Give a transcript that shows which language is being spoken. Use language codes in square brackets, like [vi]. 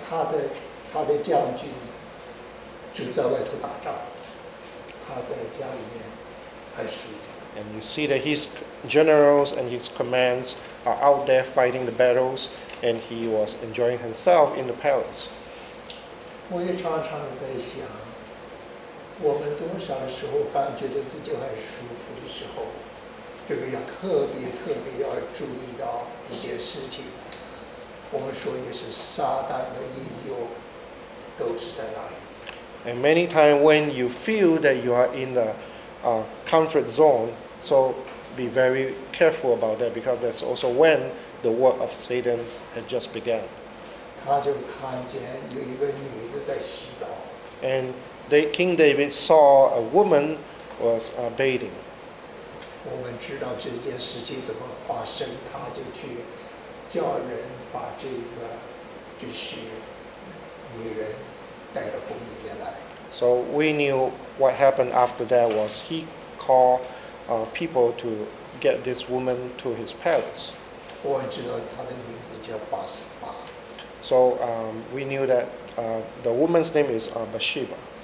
[zh] 像他的将军就在外头打仗，他在家里面很舒服。 [en] And you see that his generals and his commands are out there fighting the battles, and he was enjoying himself in the palace. [zh] 我也常常在想，我们多少时候感觉到自己很舒服的时候，这个要特别特别要注意到一件事情。我们说也是撒旦的引诱，都是在那里。 [en] And many times when you feel that you are in the comfort zone, so be very careful about that, because that's also when the work of Satan has just begun. [zh] 他就看见有一个女的在洗澡。 [en] And they, King David saw a woman was bathing. [zh] 我们知道这件事情怎么发生，他就去叫人把这个就是女人带到宫里面来。 [en] So we knew what happened after that was he called people to get this woman to his palace. [zh] 我们知道他的名字叫巴斯巴。 [en] So we knew that the woman's name is Bathsheba.